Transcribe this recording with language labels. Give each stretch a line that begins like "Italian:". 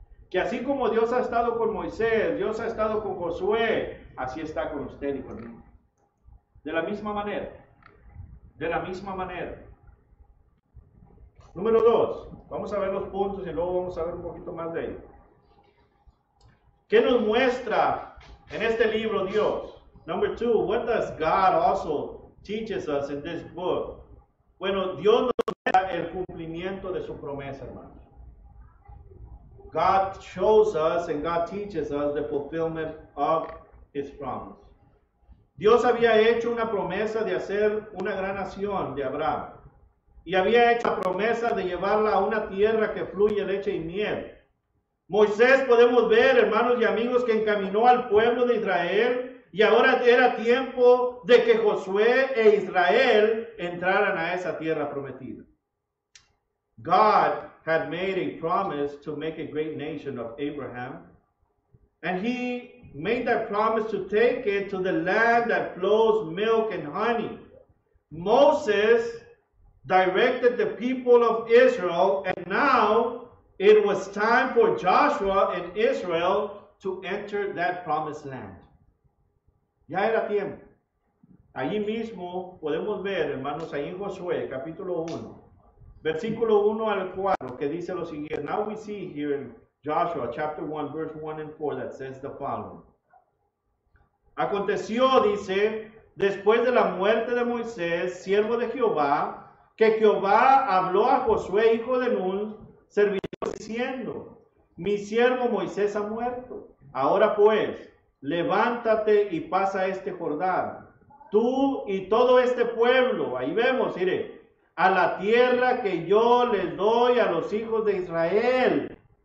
Spanish: Que así como Dios ha estado con Moisés, Dios ha estado con Josué, así está con usted y conmigo. De la misma manera. De la misma manera. Número dos. Vamos a ver los puntos y luego vamos a ver un poquito más de ello. ¿Qué nos muestra en este libro Dios?
English: Number two, what does God also teaches us in this book?
Spanish: Bueno, Dios nos muestra el cumplimiento de su promesa, hermano.
English: God shows us and God teaches us the fulfillment of his promise.
Spanish: Dios había hecho una promesa de hacer una gran nación de Abraham. Y había hecho la promesa de llevarla a una tierra que fluye leche y miel. Moisés, podemos ver, hermanos y amigos, que encaminó al pueblo de Israel y ahora era tiempo de que Josué e Israel entraran a esa tierra prometida.
English: God had made a promise to make a great nation of Abraham, and he made that promise to take it to the land that flows milk and honey. Moses directed the people of Israel, and now it was time for Joshua and Israel to enter that promised land.
Spanish: Ya era tiempo. Allí mismo podemos ver, hermanos, ahí en Josué, capítulo 1, versículo 1 al 4, que dice lo siguiente.
English: Now we see here in Joshua, chapter 1, verse 1 and 4, that says the following.
Spanish: Aconteció, dice, después de la muerte de Moisés, siervo de Jehová, que Jehová habló a Josué, hijo de Nun, servidor, diciendo, mi siervo Moisés ha muerto. Ahora pues, levántate y pasa este Jordán, tú y todo este pueblo, ahí vemos, mire, a la tierra que yo les doy a los hijos de Israel.